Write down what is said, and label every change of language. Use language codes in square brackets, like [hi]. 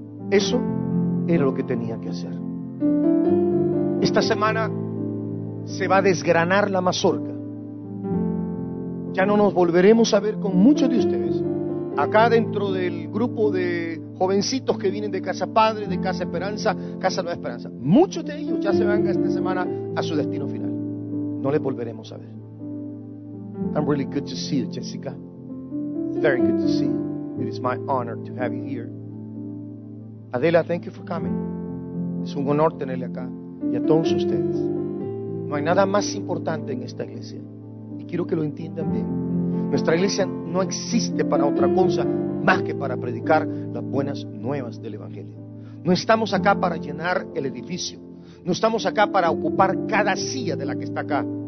[es] Eso era lo que tenía que hacer. Esta semana se va a desgranar la mazorca. Ya no nos volveremos a ver con muchos de ustedes. Acá dentro del grupo de jovencitos que vienen de Casa Padre, de Casa Esperanza, Casa Nueva Esperanza. Muchos de ellos ya se van esta semana a su destino final. No les volveremos a ver. [en] I'm really good to see you, Jessica. Very good to see you. It is my honor to have you here. Adela, thank you for coming. [es] Es un honor tenerle acá. Y a todos ustedes. No hay nada más importante en esta iglesia. Y quiero que lo entiendan bien. Nuestra iglesia no existe para otra cosa más que para predicar las buenas nuevas del Evangelio. No estamos acá para llenar el edificio. No estamos acá para ocupar cada silla de la que está acá.